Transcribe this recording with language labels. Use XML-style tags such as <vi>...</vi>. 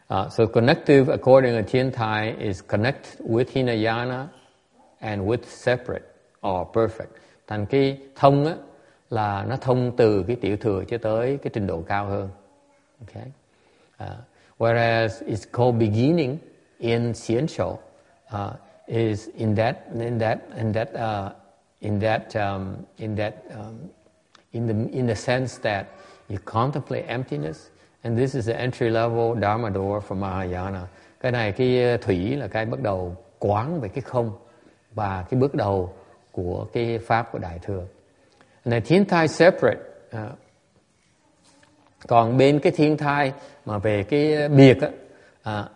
<en>So connective according to Tiantai is connect with Hinayana and with separate or perfect.</en> <vi>Thành cái thông á là nó thông từ cái tiểu thừa cho tới cái trình độ cao hơn.</vi> <en>Okay. Whereas it's called beginning in Xianshou is in the sense that you contemplate emptiness. And this is the entry level Dharma door for Mahayana.</en> <vi>Cái này cái thủy là cái bắt đầu quán về cái không và cái bước đầu của cái pháp của đại thừa. Này thiên thai separate. Còn bên cái thiên thai mà về cái biệt á,</vi>